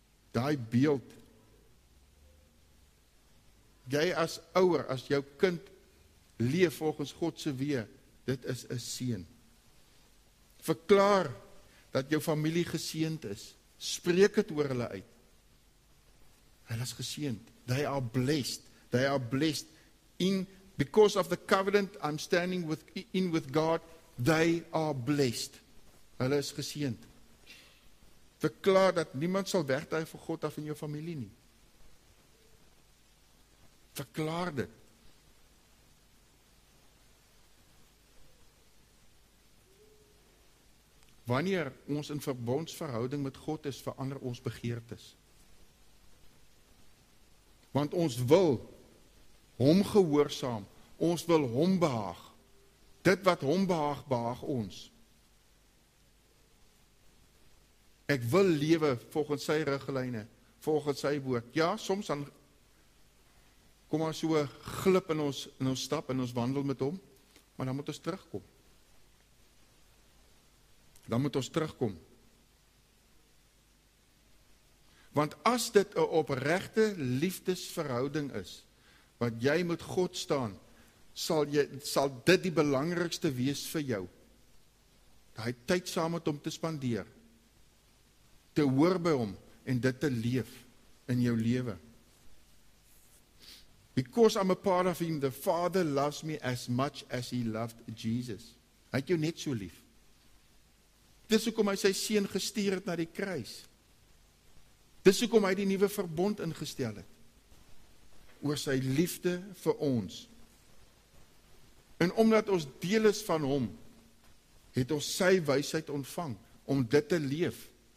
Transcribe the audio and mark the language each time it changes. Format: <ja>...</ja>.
<af>Daai beeld, jy as ouer, as jou kind leef volgens Godse wee, dit is 'n seën. Verklaar dat jou familie geseend is, spreek het oor hulle uit. Hulle is geseend,</af> <en>they are blessed, they are blessed. In, because of the covenant I'm standing with, in with God, they are blessed.</en> <af>Hulle is geseend. Verklaar dat niemand sal wegdraai vir God af in jou familie nie. Verklaar dit. Wanneer ons in verbondsverhouding met God is, verander ons begeertes. Want ons wil hom gehoorsaam, ons wil hom behaag. Dit wat hom behaag, behaag ons. Ek wil lewe volgens sy riglyne, volgens sy woord. Ja, soms dan kom ons so glip in ons stap, en ons wandel met hom, maar dan moet ons terugkom. Dan moet ons terugkom. Want as dit 'n opregte liefdesverhouding is, wat jy met God staan, sal, jy, sal dit die belangrikste wees vir jou. Daai tyd saam met hom te spandeer, te hoor by hom, en dit te leef in jou lewe.</af> <en>Because I'm a part of him, the Father loves me as much as he loved Jesus.</en> <af>Hy het jou net so lief. Dis hoekom hy sy seun gestuur het na die kruis. Dis hoekom hy die nuwe verbond ingestel het. Oor sy liefde vir ons. En omdat ons deel is van hom, het ons sy wysheid ontvang om dit te leef.</af>